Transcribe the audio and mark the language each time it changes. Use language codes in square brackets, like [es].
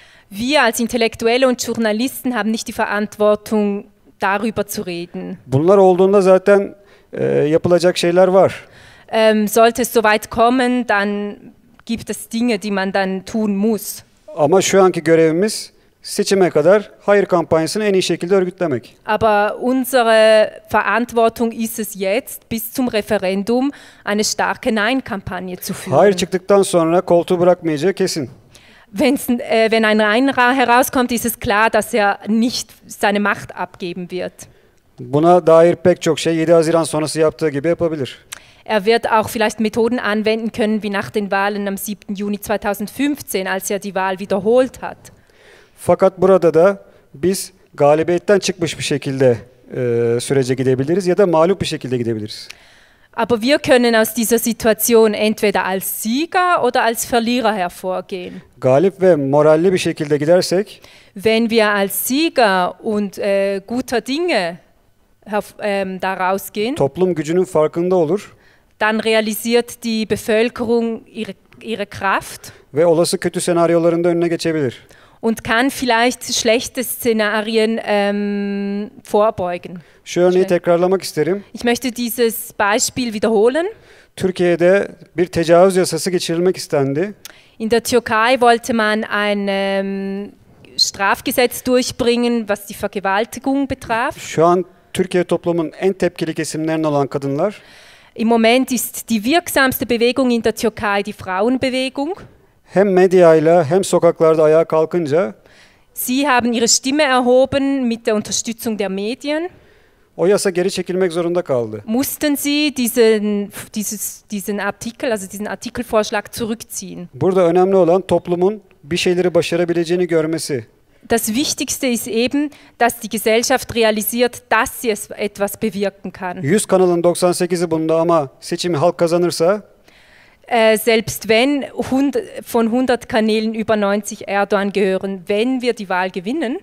[de] Wir als Intellektuelle und Journalisten haben nicht die Verantwortung darüber zu reden. [tr] Bunlar olduğunda zaten yapılacak şeyler var. [de] Sollte es so weit kommen, dann gibt es Dinge, die man dann tun muss. [tr] Ama şu anki görevimiz seçime kadar hayır kampanyasını en iyi şekilde örgütlemek. [de] Aber unsere Verantwortung ist es jetzt, bis zum Referendum eine starke Nein-Kampagne zu führen. [tr] Hayır çıktıktan sonra koltuğu bırakmayacağı kesin. [de] Wenn ein Reiner herauskommt, ist es klar, dass nicht seine Macht abgeben wird. [tr] Buna dair pek çok şey 7 Haziran sonrası yaptığı gibi yapabilir. [de] Er wird auch vielleicht Methoden anwenden können, wie nach den Wahlen am 7. Juni 2015, als die Wahl wiederholt hat. [tr] Fakat burada da biz galibiyetten çıkmış bir şekilde sürece gidebiliriz ya da mağlup bir şekilde gidebiliriz. [de] Aber wir können aus dieser Situation entweder als Sieger oder als Verlierer hervorgehen. [tr] Galip ve moralli bir şekilde gidersek, [de] wenn wir als Sieger und guter Dinge daraus gehen, [tr] toplum gücünün farkında olur. [de] Dann realisiert die Bevölkerung ihre Kraft [tr] ve olası kötü senaryoların da önüne geçebilir. [de] Und kann vielleicht schlechte Szenarien vorbeugen. [tr] Şu örneği tekrarlamak isterim. [de] Ich möchte dieses Beispiel wiederholen. [tr] Türkiye'de bir tecavüz yasası geçirilmek istendi. [de] In der Türkei wollte man ein Strafgesetz durchbringen, was die Vergewaltigung betraf. [tr] Şu an Türkiye toplumun en tepkili kesimlerinden olan kadınlar. [de] Im Moment ist die wirksamste Bewegung in der Türkei die Frauenbewegung. [tr] Hem medyayla hem sokaklarda ayağa kalkınca. [de] Sie haben ihre Stimme erhoben mit der Unterstützung der Medien. [tr] O yasa geri çekilmek zorunda kaldı. [de] Mussten sie diesen Artikel, also diesen Artikelvorschlag zurückziehen. [tr] Burada önemli olan toplumun bir şeyleri başarabileceğini görmesi. [de] Das Wichtigste ist eben, dass die Gesellschaft realisiert, dass sie etwas bewirken kann. [tr] 100 kanalın 98'i bunda ama seçimi halk kazanırsa. [de] selbst wenn von 100 Kanälen über 90 Erdogan gehören, wenn wir die Wahl gewinnen,